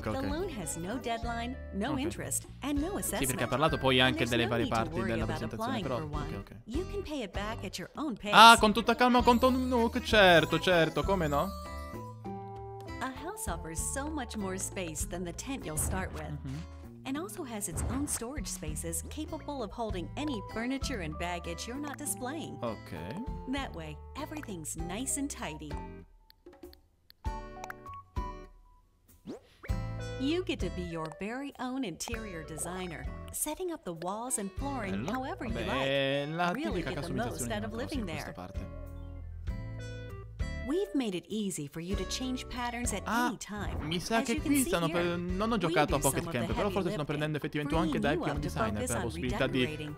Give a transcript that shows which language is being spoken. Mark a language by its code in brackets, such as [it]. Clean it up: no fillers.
[en] The loan has no deadline, no interest, and no assessment. [it] Sì, perché ha parlato poi anche delle varie parti della presentazione, però... Ok. [en] You can pay it back at your own pace. [it] Ah, con tutta calma, con ton nuke, certo, come no? [en] A house offers so much more space than the tent you'll start with. And also has its own storage spaces capable of holding any furniture and baggage you're not displaying. Okay. That way, everything's nice and tidy. You get to be your very own interior designer, setting up the walls and flooring however you like. Really get the most out of living there. We've made it easy for you to change patterns at any time. [it] Mi sa che qui stanno per... Non ho giocato a Pocket Camp, però forse stanno prendendo effettivamente anche da Action Designer per la possibilità di...